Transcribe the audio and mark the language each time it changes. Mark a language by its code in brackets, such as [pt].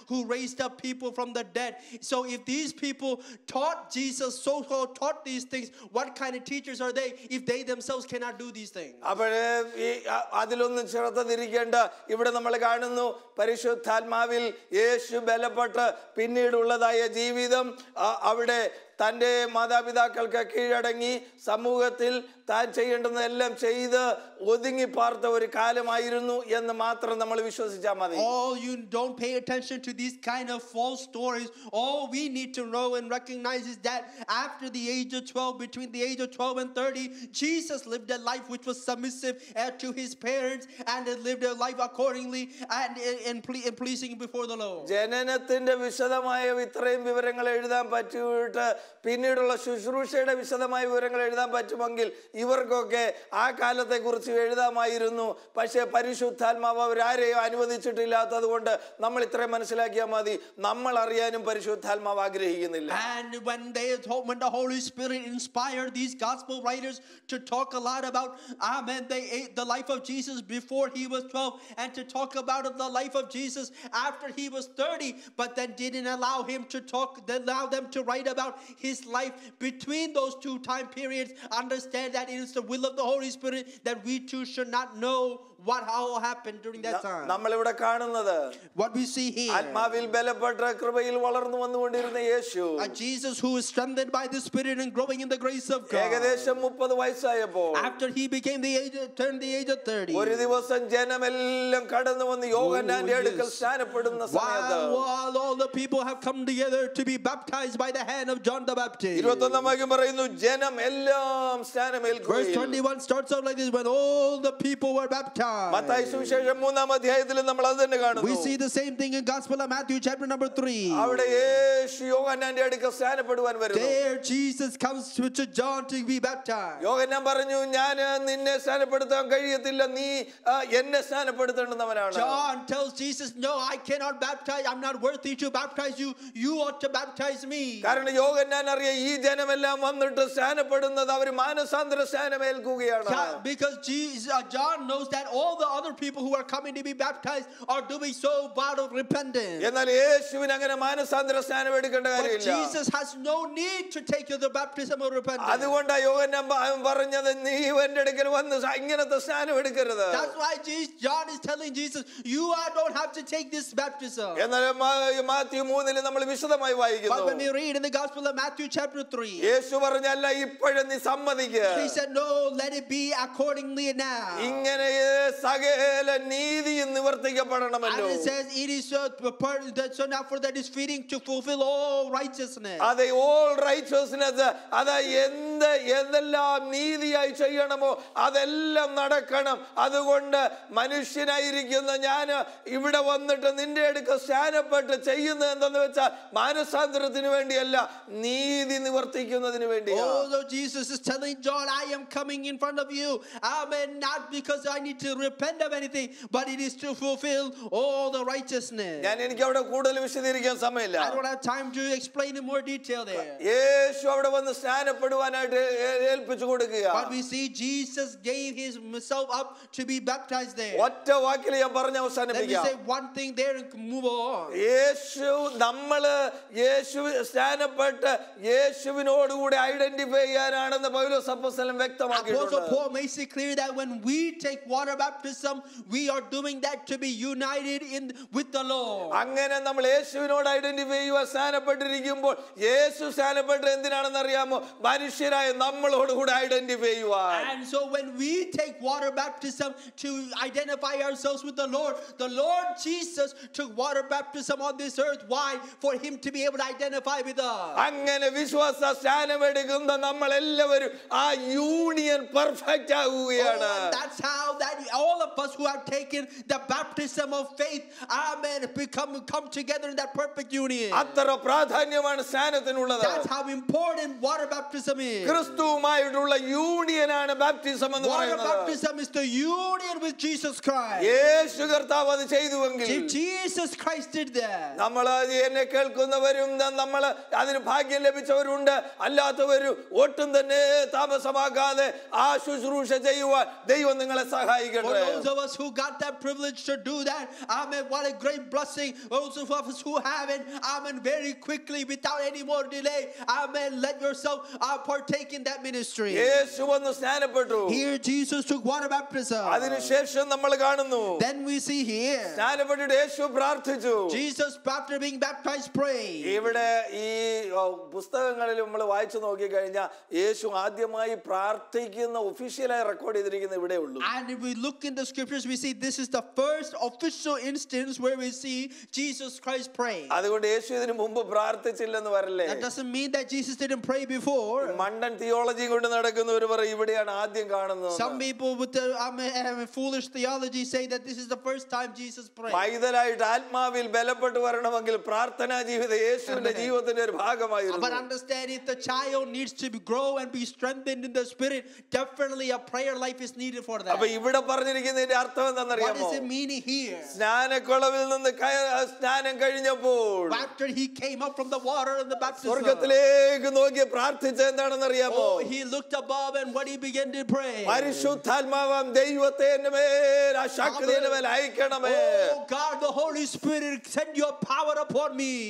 [en] Who raised up people from the dead. So if these people taught Jesus, so-called taught these things, what kind of teachers are they if they themselves cannot do these things? [ml] അവരെ അതിലൊന്നും ശ്രദ്ധ തിരിക്കേണ്ട. ഇവിടെ നമ്മൾ കാണുന്നു പരിശുദ്ധാത്മാവിൽ യേശു ബലപ്പെട്ട് പിന്നീടുള്ളതായ ജീവിതം. അവിടെ തൻ്റെ മാതാപിതാക്കൾക്ക് കീഴടങ്ങി സമൂഹത്തിൽ താൻ ചെയ്യേണ്ടതെല്ലാം ചെയ്ത് ഒതുങ്ങി പാർത്ത ഒരു കാലമായിരുന്നു എന്ന് മാത്രം നമ്മൾ വിശ്വസിച്ചാൽ മതി. [en] All you don't pay attention to these kind of false stories. All we need to know and recognize is that after the age of 12, between the age of 12 and 30, Jesus lived a life which was submissive to his parents and lived a life accordingly and in pleasing before the Lord. [ml] ജനനത്തിന്റെ വിശദമായ ഇത്രയും വിവരങ്ങൾ എഴുതാൻ പറ്റിയിട്ട് പിന്നീടുള്ള ശുശ്രൂഷയുടെ വിശദമായ വിവരങ്ങൾ എഴുതാൻ പറ്റുമെങ്കിൽ ഇവർക്കൊക്കെ ആ കാലത്തെ കുറിച്ച് എഴുതാമായിരുന്നു. പക്ഷേ പരിശുദ്ധാത്മാവ് അവരാരെയും അനുവദിച്ചിട്ടില്ലാത്തത് കൊണ്ട് നമ്മൾ ഇത്രയും മനസ്സിലാക്കിയാൽ മതി, നമ്മൾ അറിയാനും പരിശുദ്ധാത്മാവ് ആഗ്രഹിക്കുന്നില്ല. [en] And when the Holy Spirit inspired these gospel writers to talk a lot about the life of Jesus before he was 12 and to talk about the life of Jesus after he was 30, but then didn't allow him to talk, then allow them to write about his life between those two time periods, understand that it is the will of the Holy Spirit that we too should not know what how happened during that time. [ml] നമ്മൾ ഇവിടെ കാണുന്നത് [en] what we see here, [ml] ആത്മാവിൽ ബലപ്പെട്ട കൃപയിൽ വളർന്നു വന്നുകൊണ്ടിരുന്ന യേശു, [en] a Jesus who is strengthened by the Spirit and growing in the grace of God. [ml] ഏകദേശം 30 വയസ്സായപ്പോൾ, [en] after he became the age of, turned the age of 30, [ml] ഒരു ദിവസം ജനമെല്ലാം കടന്നു വന്ന് യോഹന്നാന്റെ അടുക്കൽ സ്നാനപ്പെടുന്ന സമയത്ത്, [en] while all the people have come together to be baptized by the hand of John the Baptist. [ml] 21 ആയി പറയുന്നു ജനമെല്ലാം സ്നാനമേൽക്കുകയും. [en] Verse 21 starts out like this, when all the people were baptized. [ml] Mathai സുവിശേഷം 3 അധ്യായത്തിലും നമ്മൾ അത് തന്നെ കാണുന്നു. [en] We see the same thing in Gospel of Matthew chapter number 3. [ml] അവിടെ യേശു യോഹന്നാന്റെ അടുക്കൽ സ്നാനപ്പെടുവാൻ വരുന്നു. [en] There Jesus comes to John to be baptized. [ml] യോഹന്നാൻ പറഞ്ഞു, ഞാൻ നിന്നെ സ്നാനപ്പെടുത്താൻ കഴിയത്തില്ല, നീ എന്നെ സ്നാനപ്പെടുത്തേണ്ടുന്നവനാണ്. [en] John tells Jesus, no, I cannot baptize, I'm not worthy to baptize you, you ought to baptize me. [ml] കാരണം യോഹന്നാൻ അറിയ ഈ ജനമെല്ലാം വന്നിട്ട് സ്നാനപ്പെടുന്നത് അവർ മാനസാന്തര സ്നാനമേൽക്കുകയാണ്. [en] Because John knows that all the other people who are coming to be baptized are doing so out of repentance. [ml] എന്നാൽ യേശുവിനെ അങ്ങനെ മാനസാന്തര സ്നാനം എടുക്കേണ്ട കാര്യമില്ല. [en] But Jesus has no need to take you the baptism of repentance. [ml] അതുകൊണ്ട് യോഹന്നാൻ പറഞ്ഞത് നീ എൻ്റെ അടുക്കൽ വന്ന് ഇങ്ങനത്തെ സ്നാനം എടുക്കരുത്. [en] That's why John is telling Jesus, you don't have to take this baptism. [ml] എന്നാൽ മത്തായി 3-ൽ നമ്മൾ വിശദമായി വായിക്കുന്നു. [en] But when we read in the Gospel of Matthew chapter 3, [ml] യേശു പറഞ്ഞു, അല്ല ഇപ്പോഴേ നീ സമ്മതിക്ക്. [en] He said, no, let it be accordingly now. [ml] ഇങ്ങനെ സകല നീതിയും നിവർത്തിക്കപ്പെടണമല്ലോ. [en] It says it is so now for that is feeding to fulfill all righteousness. [ml] അതെ, [en] all righteousness, [ml] അതാ എന്തെല്ലാം നീതിയായി ചെയ്യണമോ അതെല്ലാം നടക്കണം. അതുകൊണ്ട് മനുഷ്യനായിരിക്കുന്ന ഞാൻ ഇവിടെ വന്നിട്ട് നിന്റെ അടുക്ക സ്നാനപ്പെട്ട് ചെയ്യുന്നത് എന്തെന്ന് വെച്ചാൽ മാനസാന്തരത്തിന് വേണ്ടിയല്ല, നീതി നിവർത്തിക്കുന്നതിന് വേണ്ടിയാണ്. [en] Although Jesus is telling John, I am coming in front of you, amen, not because I need to repent of anything, but it is to fulfill all the righteousness. [ml] ഞാൻ എനിക്ക് അവിടെ കൂടുതൽ വിശദീകരിക്കാൻ സമയമില്ല. [en] I don't have time to explain in more detail there. [ml] യേശു അവിടെ വന്ന് സ്നാനപ്പെടുവാനായിട്ട് ഏൽപ്പിച്ചു കൊടുക്കുക. [en] But we see Jesus gave himself up to be baptized there. [ml] ഒറ്റ വാക്കിൽ ഞാൻ പറഞ്ഞു അവസാനിപ്പിക്കാം. [en] Let me say one thing there and move on. [ml] യേശു നമ്മൾ യേശു സ്നാനപ്പെട്ട് യേശുവിനോട് കൂടി ഐഡന്റിഫൈ ചെയ്യാനാണെന്ന് പൗലോസ് അപ്പോസ്തലൻ വ്യക്തമാക്കിയിട്ടുണ്ട്. [en] Paul makes it clear that when we take water baptism, we are doing that to be united in with the Lord. [ml] അങ്ങനെ നമ്മൾ യേശുവിനോട് identify ചെയ്യുവാൻ സ്നാനപ്പെട്ടിരിക്കുമ്പോൾ യേശു സ്നാനപ്പെട്ടത് എന്തിനാണെന്ന് അറിയാമോ? മനുഷ്യരായ നമ്മളോട് കൂടി ഐഡന്റിഫൈ ചെയ്യുവാൻ. [en] And so when we take water baptism to identify ourselves with the Lord Jesus took water baptism on this earth. Why? For him to be able to identify with us. [ml] അങ്ങനെ വിശ്വാസ സ്നാനം എടുക്കുന്ന നമ്മളെല്ലാവരും ആ union perfect ആവുകയാണ്. [en] That's how that all of us who have taken the baptism of faith, amen, come together in that perfect union. [ml] അത്ര പ്രാധാന്യമാണ് സ്നാനത്തിനുള്ളത്. [en] That's how important water baptism is. [ml] ക്രിസ്തുവുമായിട്ടുള്ള യൂണിയനാണ് baptism എന്ന് പറയുന്നത്. [en] Water baptism is the union with Jesus Christ. [ml] യേശു കർത്താവ് അത് ചെയ്തുവെങ്കിൽ. [en] If Jesus Christ did that. [ml] നമ്മൾ എന്നെ കേൾക്കുന്നവരും നമ്മൾ അതിന് ഭാഗ്യം ലഭിച്ചവരുണ്ട്, അല്ലാത്തവരും ഒട്ടും തന്നെ താമസമാക്കാതെ ആ ശുശ്രൂഷ ചെയ്യുവാൻ ദൈവം നിങ്ങളെ സഹായിക്കട്ടെ. [en] For those of us who got that privilege to do that, amen, what a great blessing. Those of us who haven't, amen, very quickly without any more delay, amen, let yourself partake in that ministry. [ml] യേശു വന്ന് സ്നാനപ്പെട്ടു. [en] Here Jesus took water baptism. [ml] അതിനു ശേഷം നമ്മൾ കാണുന്നു. [en] Then we see here. [ml] സ്നാനപ്പെട്ടിട്ട് യേശു പ്രാർത്ഥിച്ചു. [en] Jesus after being baptized prayed. [ml] ഇവിടെ ഈ പുസ്തകങ്ങളിൽ നമ്മൾ വായിച്ചു നോക്കി കഴിഞ്ഞാൽ യേശു ആദ്യമായി പ്രാർത്ഥിക്കുന്ന ഒഫീഷ്യലായി റെക്കോർഡ് ചെയ്തിരിക്കുന്ന ഇവിടെ ഉള്ളൂ. [en] And if we look in the scriptures we see this is the first official instance where we see Jesus Christ praying. [ml] അതുകൊണ്ട് യേശു ഇതിനു മുമ്പ് പ്രാർത്ഥിച്ചില്ല എന്ന് വരല്ലേ. [en] That doesn't mean that Jesus didn't pray before. [ml] മണ്ടൻ തിയോളജി കൊണ്ട് നടക്കുന്നവര് പറയും ഇവിടെയാണ് ആദ്യം കാണുന്നത്. [en] Some people with foolish theology say that this is the first time Jesus prayed. [ml] പൈതലായിട്ട് ആത്മാവിൽ ബലപ്പെട്ടു വരണമെങ്കിൽ പ്രാർത്ഥനാ ജീവിതം യേശുവിന്റെ ജീവിതത്തിന്റെ ഒരു ഭാഗമായിരുന്നു. [en] But understand if the child needs to grow and be strengthened in the spirit, definitely a prayer life is needed for that. [ml] അപ്പോൾ ഇവിടെ പറഞ്ഞിരിക്കുന്നതിന്റെ അർത്ഥം എന്താണെന്ന് അറിയാമോ? [en] What is the meaning here? [ml] സ്നാനക്കുളവിൽ നിന്ന് സ്നാനം കഴിഞ്ഞപ്പോൾ [en] after he came up from the water and the baptism, [ml] സ്വർഗ്ഗത്തിലേക്ക് നോക്കി പ്രാർത്ഥിച്ചത് എന്താണെന്ന് അറിയാമോ? [en] Oh, he looked above and what he began to pray. [ml] പരിശുദ്ധാത്മാവേ ദൈവത്തെ എന്റെ മേൽ ആ ശക്തി എന്റെ മേൽ അയക്കണമേ. [en] Oh God, the Holy Spirit, send your power upon me.